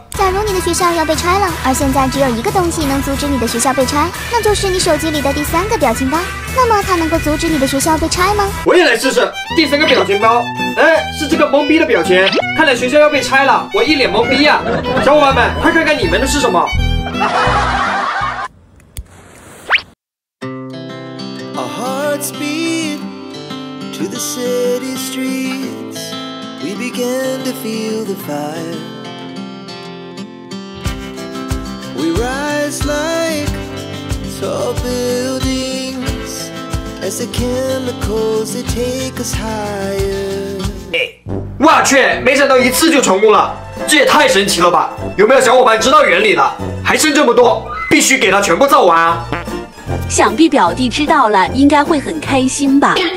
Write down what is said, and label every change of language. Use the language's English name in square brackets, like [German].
[Chinese] 假如你的学校要被拆了，而现在只有一个东西能阻止你的学校被拆，那就是你手机里的第3个表情包。那么它能够阻止你的学校被拆吗？我也来试试第3个表情包。哎，是这个懵逼的表情。看来学校要被拆了，我一脸懵逼啊。小伙伴们，快看看你们的是什么。 [English] Our hearts beat to the city streets. We begin to feel the fire. We rise like tall buildings as the chemicals they take us higher. [Chinese] 哇去，没想到一次就成功了，这也太神奇了吧！有没有小伙伴知道原理的？还剩这么多，必须给它全部造完啊！想必表弟知道了应该会很开心吧。